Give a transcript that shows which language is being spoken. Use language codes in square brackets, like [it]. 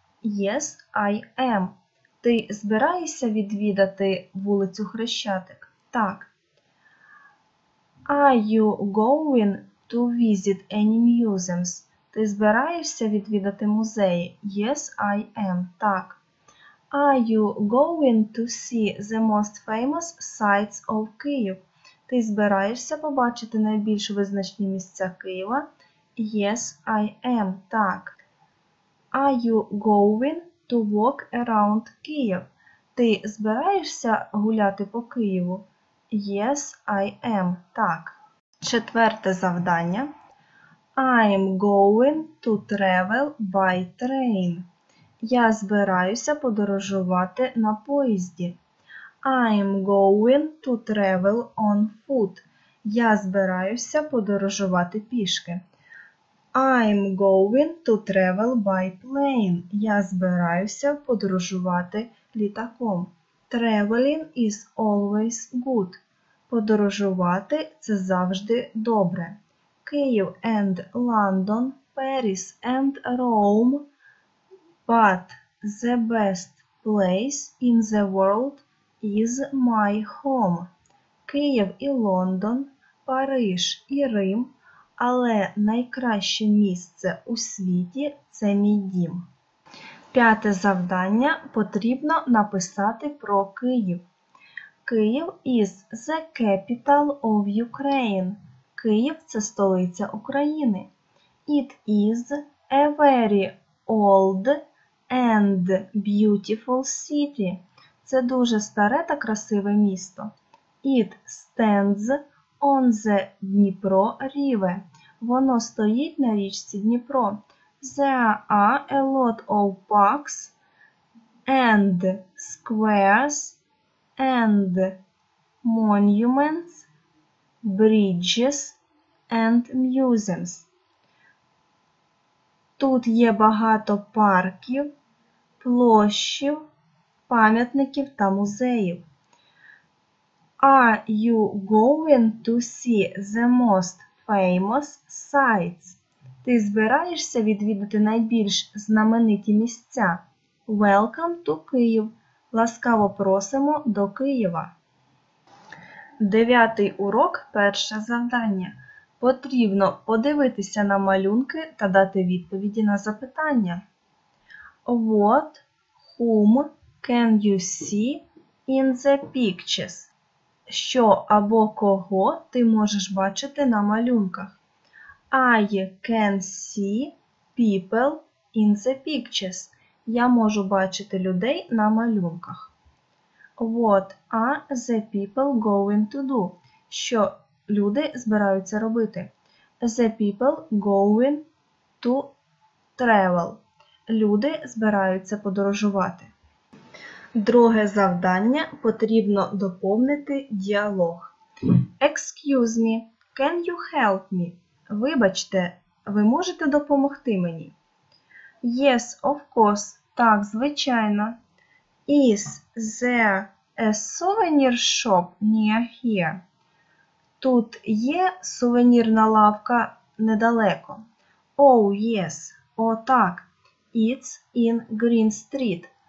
[en] Yes, I am. [uk] Ти збираєшся відвідати вулицю Хрещатик? Так. [en] Are you going to visit any museums? [uk] Ти збираєшся відвідати музеї? [en] Yes, I am. [uk] Так. [en] Are you going to see the most famous sites of Kyiv? [uk] Ти збираєшся побачити найбільш визначні місця Києва? [en] Yes, I am. [uk] Так. [en] Are you going to walk around Kyiv? [uk] Ти збираєшся гуляти по Києву? [en] Yes, I am. [uk] Так. Четверте завдання. [en] I'm going to travel by train. [uk] Я збираюся подорожувати на поїзді. [en] I'm going to travel on foot. [uk] Я збираюся подорожувати пішки. [en] I'm going to travel by plane. [uk] Я збираюся подорожувати літаком. [en] Traveling is always good. [uk] Подорожувати – це завжди добре. [en] Київ and London, Paris and Rome. But the best place in the world is my home. [uk] Київ і Лондон, Париж і Рим. Але найкраще місце у світі – це мій дім. П'яте завдання – потрібно написати про Київ. [en] Київ is the capital of Ukraine. [uk] Київ – це столиця України. [en] It is a very old and beautiful city. [uk] Це дуже старе та красиве місто. [en] It stands on the Dnipro River. [uk] Воно стоїть на річці Дніпро. [en] There are a lot of parks and squares and monuments, bridges and museums. [uk] Тут є багато парків, площів, пам'ятників та музеїв. [en] Are you going to see the most famous sites? [uk] Ти збираєшся відвідати найбільш знамениті місця? [en] Welcome to Київ! [uk] Ласкаво просимо до Києва! Дев'ятий урок, перше завдання. Потрібно подивитися на малюнки та дати відповіді на запитання. [en] What, whom can you see in the pictures? [uk] Що або кого ти можеш бачити на малюнках? [en] I can see people in the pictures. [uk] Я можу бачити людей на малюнках. [en] What are the people going to do? [uk] Що люди збираються робити? [en] The people going to travel. [uk] Люди збираються подорожувати. Друге завдання – потрібно доповнити діалог. [en] Excuse me, can you help me? [uk] Вибачте, ви можете допомогти мені? [en] Yes, of course, [uk] так, звичайно. [en] Is there a souvenir shop near here? [uk] Тут є сувенірна лавка недалеко. [en] Oh, yes, [uk] о, так, [en] it's in Green Street.